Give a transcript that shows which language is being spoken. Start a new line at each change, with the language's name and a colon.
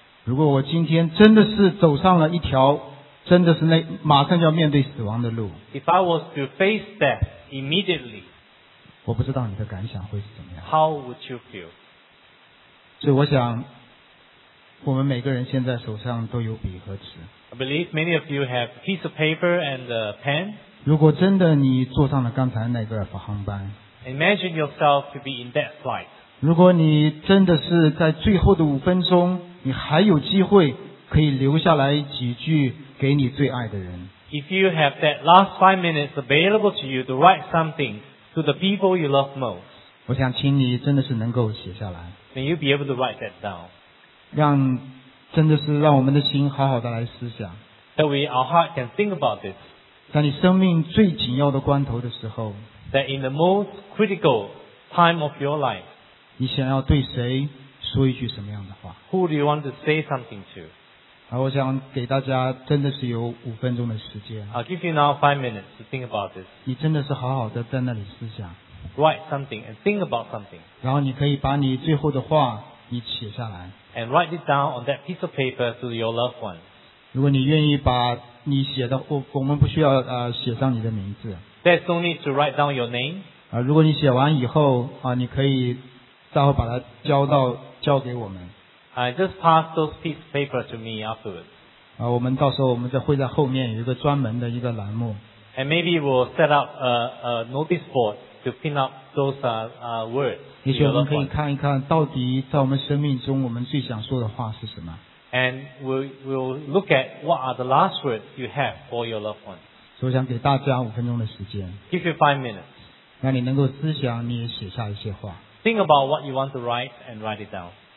Chinese: 如果我今天真的是走上了一条真的是那马上就要面对死亡的路。
English: If I was to face death immediately.
Chinese: 我不知道你的感想会是怎么样。
English: How would you feel?
Chinese: 所以我想，我们每个人现在手上都有笔和纸。
English: I believe many of you have a piece of paper and a pen.
Chinese: 如果真的你坐上了刚才那个航班，
English: imagine yourself to be in that flight.
Chinese: 如果你真的是在最后的五分钟，你还有机会可以留下来几句给你最爱的人。
English: If you have that last 5 minutes available to you to write something to the people you love most,
Chinese: 我想请你真的是能够写下来。
English: May you be able to write that down.
Chinese: 让真的是让我们的心好好的来思想。
English: That we, our heart can think about this.
Chinese: 在你生命最紧要的关头的时候。
English: That in the most critical time of your life.
Chinese: 你想要对谁说一句什么样的话。
English: Who do you want to say something to?
Chinese: 我想给大家真的是有五分钟的时间。
English: I'll give you now 5 minutes to think about this.
Chinese: 你真的是好好的在那里思想。
English: Write something and think about something.
Chinese: 然后你可以把你最后的话你写下来。
English: And write it down on that piece of paper to your loved ones.
Chinese: 如果你愿意把你写的，我们不需要写上你的名字。
English: There's no need to write down your name.
Chinese: 如果你写完以后你可以稍后把它交给我们。
English: I just pass those piece of paper to me afterwards.
Chinese: 我们到时候我们会在后面有一个专门的一个栏目。
English: And maybe we'll set up a notice board to pin up those words.
Chinese: 也许我们可以看一看到底在我们生命中我们最想说的话是什么。
English: And we'll look at what are the last words you have for your loved one.
Chinese: 所以我想给大家五分钟的时间。
English: Give you 5 minutes.
Chinese: 让你能够思想，你也写下一些话。
English: Think about what you want to write and write it down.